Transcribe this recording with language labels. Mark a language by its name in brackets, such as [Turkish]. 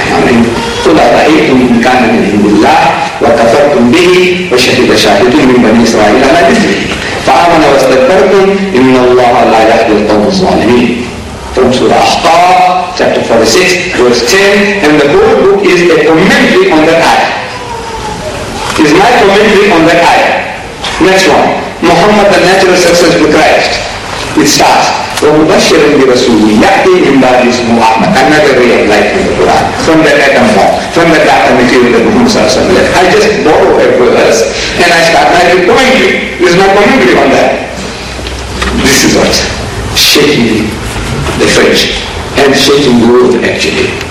[English] I mean, [Arabic] قُلْ أَرَأَيْتُمْ إِنْ كَانَ مِنْ عِنْدِ اللَّهِ وَكَفَرْتُمْ بِهِ وَشَهِدَ شَاهِدٌ مِنْ بَنِي إِسْرَائِيلَ عَلَى مِثْلِهِ فَآمَنَ وَاسْتَكْبَرْتُمْ إِنَّ اللَّهَ لَا يَهْدِي الْقَوْمَ الظَّالِمِينَ. [English] From Surah Ahqaf, chapter 46, verse 10, and the whole book is a commentary on that ayah. It's my commentary on that ayah. Next one, Muhammad the natural successor to Christ. It starts, [Arabic] وَمُبَشِّرٍ بِرَسُولِ يَأْتِي مِنْ بَعْدِهِ اسْمُهُ أَحْمَدُ. [English] Another ray of light in the Quran, from that atom bomb, from that data material that Muhammad s.a.w. left. I just borrow a verse, and I start my commentary. It's my commentary on that. This is what shaking the French, and shaking the world actually.